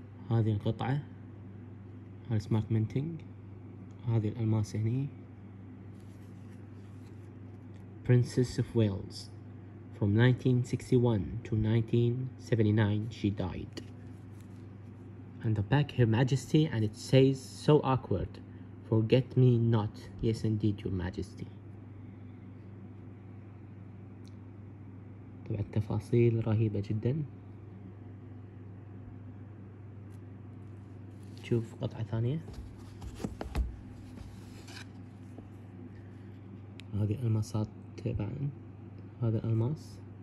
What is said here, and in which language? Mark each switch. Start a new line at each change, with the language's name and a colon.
Arabic: هذه القطعة هذا سمارت مينتينج، هذه الألماس هني، برنسس اوف ويلز
English: from 1961 to 1979 she died. on the back, Her Majesty, and it says, so awkward. Forget me not. Yes, indeed, Your Majesty.
Arabic: طبعا التفاصيل رهيبة جدا. شوف قطعة ثانية. هذه الماسات تبع هذا الماس.